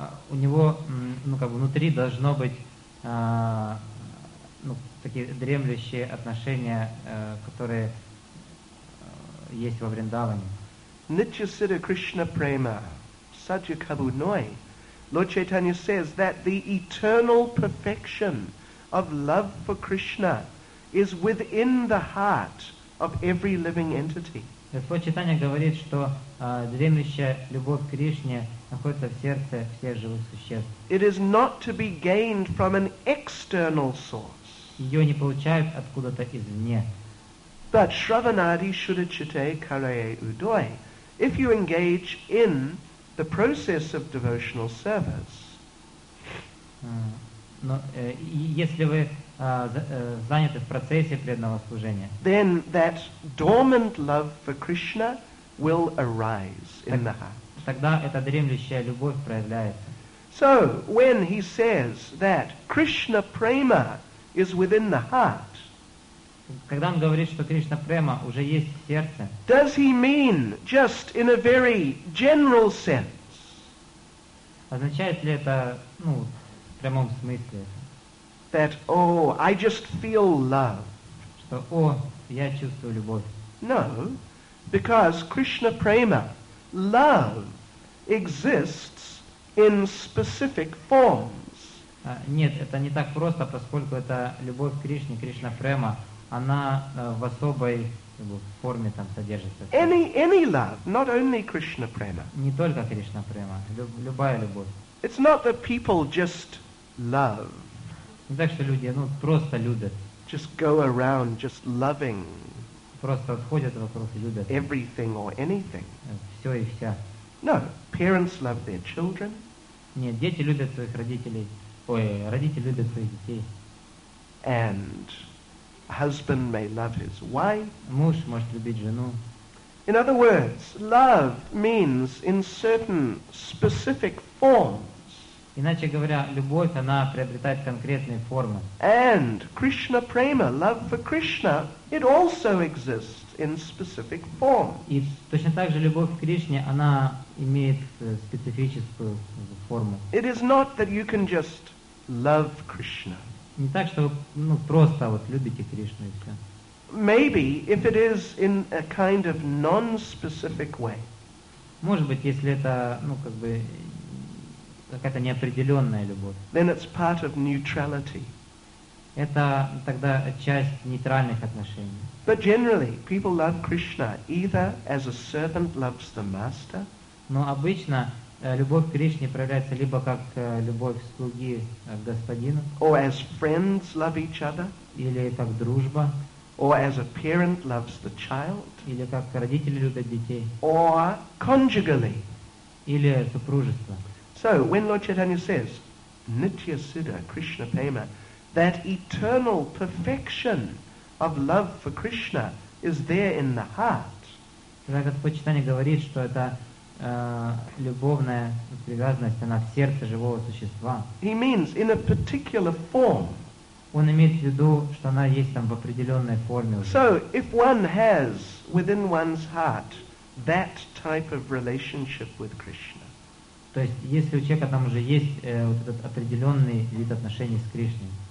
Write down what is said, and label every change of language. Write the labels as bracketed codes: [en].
[ru] У него, ну как бы внутри должно быть ну, такие дремлющие отношения, которые есть во Вриндаване. [bn] Nityasiddha Krishna Prema. Sadhya Kabu Noi, [en] Lord Chaitanya says that the eternal perfection of love for Krishna is within the heart of every living entity. [ru] Господь Чайтанья говорит, что дремлющая любовь к Кришне находится в сердце всех живых существ. [en] It is not to be gained from an external source. [ru] Ее не получают откуда-то извне. [en] But [bn] Shravanadi Shudachite Karaye Udoi, [en] if you engage in the process of devotional service. [ru] Но если вы заняты в процессе преданного служения, [en] then that dormant love for Krishna will arise in the heart. [ru] Тогда эта дремлющая любовь проявляется. [en] So, when he says that Krishna prema is within the heart, [ru] когда он говорит, что Кришна према уже есть в сердце, [en] does he mean just in a very general sense? [ru] Означает ли это, ну, в прямом смысле? [en] That, oh, I just feel love. [ru] Что, о, я чувствую любовь. [en] No, because Krishna prema, love, exists in specific forms. [ru] Нет, это не так просто, поскольку это любовь к Кришне, Кришна према, она в особой форме там содержится. [en] Any love, not only Krishna prema. [ru] Не только Кришна према, любая любовь. [en] It's not that people just love. [ru] Не так, что люди, ну, просто любят. [en] Just go around just loving. [ru] Просто ходят вокруг и любят. [en] Everything or anything. [ru] Все и вся. [en] No, parents love their children. [ru] Нет, дети любят своих родителей. Ой, родители любят своих детей. [en] And a husband may love his wife. [ru] Муж может любить жену. [en] In other words, love means in certain specific forms. [ru] Иначе говоря, любовь, она приобретает конкретные формы. [en] And Krishna prema, love for Krishna, it also exists in specific forms. [ru] И точно так же любовь к Кришне, она имеет специфическую форму. [en] It is not that you can just love Krishna. [ru] Не так, что, ну, просто вот любите Кришну и все. [en] Maybe if it is in a kind of non-specific way. [ru] Может быть, если это, ну, как бы какая-то неопределенная любовь. [en] Then it's part of neutrality. [ru] Это тогда часть нейтральных отношений. [en] But generally, people love Krishna either as a servant loves the master. [ru] Но обычно любовь к Кришне проявляется либо как любовь слуги к господину, [en] or as friends love each other, [ru] или как дружба, [en] or as a parent loves the child, [ru] или как родители любят детей, [en] or conjugally, [ru] или супружество. [en] So when Lord Chaitanya says Nitya Siddha Krishna Prema, that eternal perfection of love for Krishna is there in the heart. [ru] Когда Господь Читание говорит, что это любовная привязанность, она в сердце живого существа. [en] He means in a particular form. [ru] Он имеет в виду, что она есть там в определенной форме. [en] So if one has within one's heart that type of relationship with Krishna. [ru] То есть если у человека там уже есть вот этот определенный вид отношений с Кришной.